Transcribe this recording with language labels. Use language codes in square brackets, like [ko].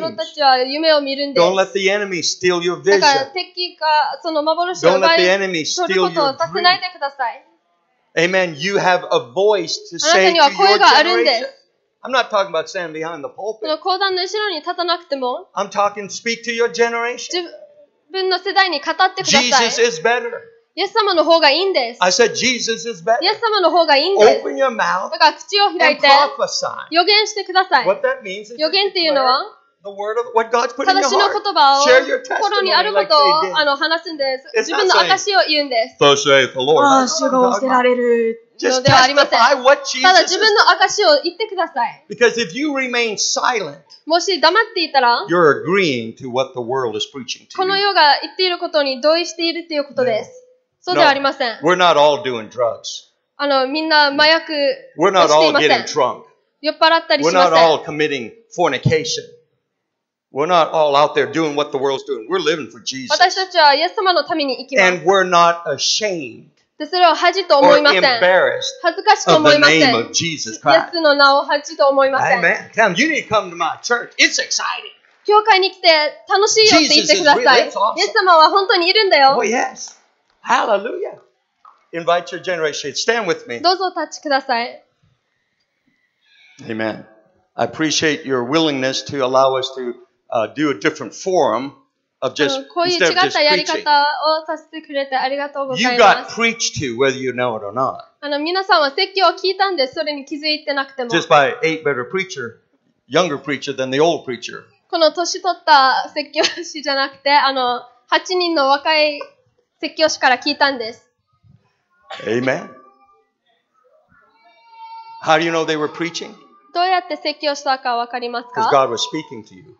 [ja] 男性たちは夢を見るんです。 [en] Don't let the enemy steal your vision. [ja] だから敵がその幻を奪い取ることをさせないでください。 [en] Amen. You have a voice to say to your generation. I'm not talking about standing behind the pulpit. [ja] その講壇の後ろに立たなくても、 [en] I'm talking speak to your generation. [ja] 自分の世代に語ってください。 [en] Jesus is better. [ja] イエス様の方がいいんです。 [en] I said, Jesus is better. [ja] イエス様の方がいいんです。 [en] Open your mouth [ja] だから口を開いて予言してください。 [en] What that means is [ja] 予言っていうのは正しい言葉を心にあることを話すんです。自分の証を言うんです。 [en] Thus saith the Lord. [ja] ああ、主が仰せられるのではありません。ただ自分の証を言ってください。 [en] Because if you remain silent, [ja] もし黙っていたら、 [en] you're agreeing to what the world is preaching to you. [ja] この世が言っていることに同意しているということです。 [en] No. [ja] そうではありません。 [en] No. We're not all doing drugs. [ja] みんな麻薬をしていません。 [en] We're not all getting drunk. [ja] 酔っ払ったりしません。 [en] We're not all committing fornication. We're not all out there doing what the world's doing. We're living for Jesus. [ja] 私たちはイエス様のために生きます。 [en] And we're not ashamed. [ja] でそれを恥と思いません。恥ずかしく思いません。イエスの名を恥と思いません。 [en] Amen. Tell him, you need to come to my church. It's exciting. [ja] 教会に来て楽しいよって言ってください。 [en] Really, awesome. [ja] イエス様は本当にいるんだよ。 [en] Oh, yes. Hallelujah. Invite your generation. Stand with me. [ja] どうぞ立ちください。 [en] Amen. I appreciate your willingness to allow us to do a different forum. Of just, [ja] こういう違ったやり方をさせてくれてありがとうございます。 [en] You got preached to, whether you know it or not. [ja] 皆さんは説教を聞いたんです。それに気づいてなくても。 [en] Just by a better preacher, younger preacher than the old preacher. [ja] この年取った説教師じゃなくて、8人の若い説教師から聞いたんです。 [en] Amen. How do you know they were preaching? [ja] どうやって説教したか分かりますか？ [en] Because God was speaking to you.